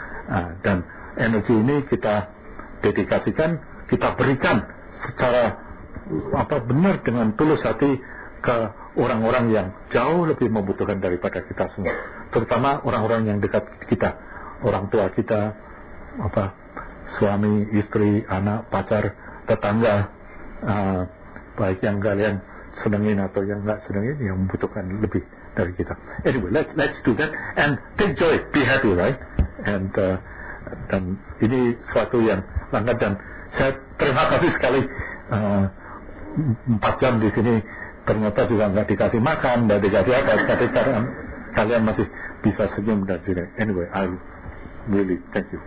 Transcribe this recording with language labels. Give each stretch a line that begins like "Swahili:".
Indonesian: Nah, dan energi ini kita dedikasikan, kita berikan secara apa benar dengan tulus hati ke orang-orang yang jauh lebih membutuhkan daripada kita semua, terutama orang-orang yang dekat kita, orang tua kita, apa suami, istri, anak, pacar, tetangga, baik yang kalian senengin atau yang nggak senengin, yang membutuhkan lebih dari kita.
English: Anyway, let's do that and take joy, be happy, right?
Indonesian: And dan ini suatu yang langka, dan saya terima kasih sekali 4 jam di sini. Ternyata juga nggak dikasih makan, nggak dikasih apa, tapi kalian masih bisa senyum dan sini.
English: Anyway, I really thank you.